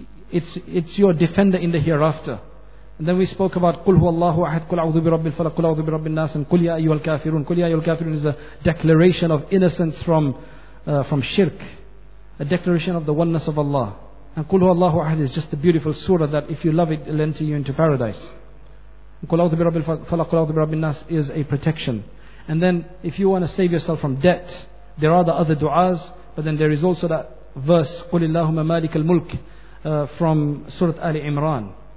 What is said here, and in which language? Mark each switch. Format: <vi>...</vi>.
<en>It's your defender in the hereafter. And then we spoke about</en> <ar>قُلْ هُوَ اللَّهُ أَحَدْ قُلْ أَعُوذُ بِرَبِّ الْفَلَقِ قُلْ أَعُوذُ بِرَبِّ النَّاسِ قُلْ يَا أَيُّهَا الْكَافِرُونَ قُلْ يَا أَيُّهَا الْكَافِرُونَ</ar> <en>is a declaration of innocence from shirk. A declaration of the oneness of Allah. And</en> <ar>قُلْ هُوَ اللَّهُ أَحَدْ</ar> <en>is just a beautiful surah that if you love it, it'll enter you into paradise.</en> <ar>قُلْ أَعُوذُ بِرَبِّ الْفَلَقِ قُلْ أَعُوذُ بِرَبِّ النَّاسِ</ar> <en>is a protection. And then if you want to save yourself from debt, there are the other du'as, but then there is also that verse,</en> <ar>قُلِ اللَّهُمَّ مَالِكَ الْمُلْكِ</ar> <en>from Surah Ali Imran.</en>